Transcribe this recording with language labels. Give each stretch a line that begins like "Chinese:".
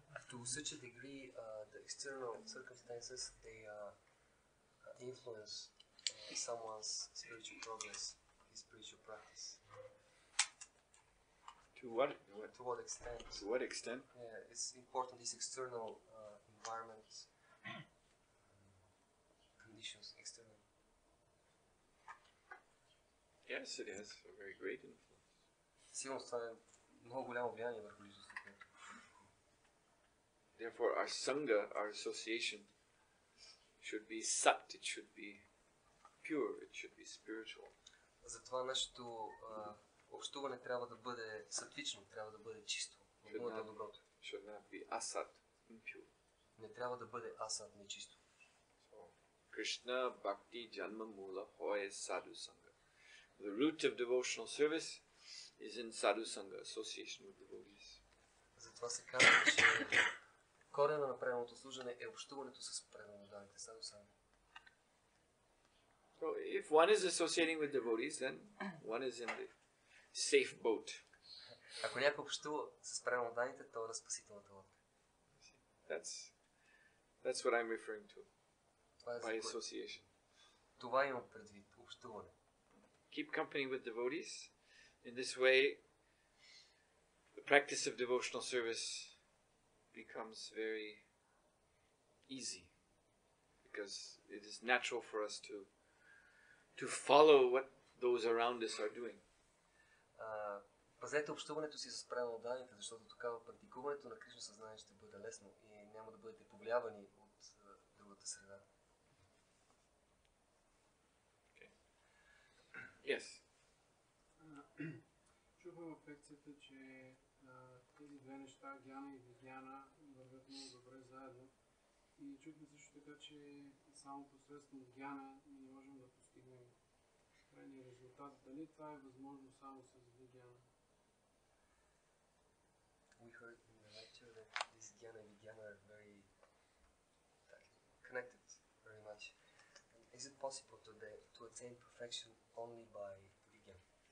English: to such a degree the external circumstances they influence someone's spiritual progress, his spiritual practice. To what extent? To what extent? Yeah, it's important, this external environment, conditions, external. Yes, it has a very great influence.
Bulgarian: Сигурно това е много голямо влияние върху личността.
English: Therefore, our sangha, our association, should be sat, it should be pure, it should be spiritual.
Bulgarian: Затова нашето общуване трябва да бъде сатвично, трябва да бъде чисто, да доброто.
English: Should not be asat, impure.
Bulgarian: Не трябва да бъде асат, нечисто.
Bangla: So, Krishna bhakti janma mula hoye sadhu sangha.
English: The root of devotional service is in sadhu sangha, association with devotees.
Bulgarian: Затова се казва, че корена на преданото служене е общуването с преданодарите, садо сами.
English: So if one is associating with devotees, then one is in the safe boat.
Bulgarian: Ако някой общува с преданодарите, то е на спасителната лодка.
English: That's what I'm referring to. By association.
Bulgarian: Това имам предвид, общуване.
English: Keep company with devotees. In this way, the practice of devotional service becomes very easy, because it is natural for us to follow what those around us are doing.
Bulgarian: Пазете общуването си с преданодарите, защото тогава практикуването на Кришна съзнание ще бъде лесно и няма да бъдете повлиявани от другата среда.
English: Okay. Yes.
Bulgarian: Чухам в лекцията, че тези две неща, гяна и вигяна, вървят много добре заедно. И чухме също така, че само посредством гяна не можем да постигнем крайния резултат. Дали това е възможно само с вигяна?
English: We heard in the lecture that this gyana and vigyana are very connected very much. And is it possible to attain perfection only by vigyana?